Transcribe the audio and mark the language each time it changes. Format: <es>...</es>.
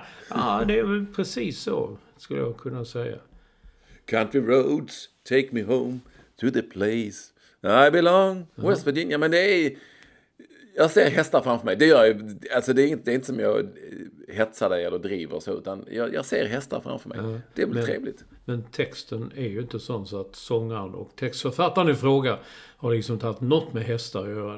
<sv>Ja, det är väl precis så, skulle jag kunna säga.</sv> <en>Country roads, take me home to the place. I belong, West Virginia.</en> <sv>Men det är, jag ser hästar framför mig. Det gör jag, alltså det är inte som jag hetsar dig eller driver så, utan jag ser hästar framför mig. Ja, det är väl trevligt. Men texten är ju inte sån så att sångaren och textförfattaren i fråga har liksom tagit något med hästar att göra.</sv>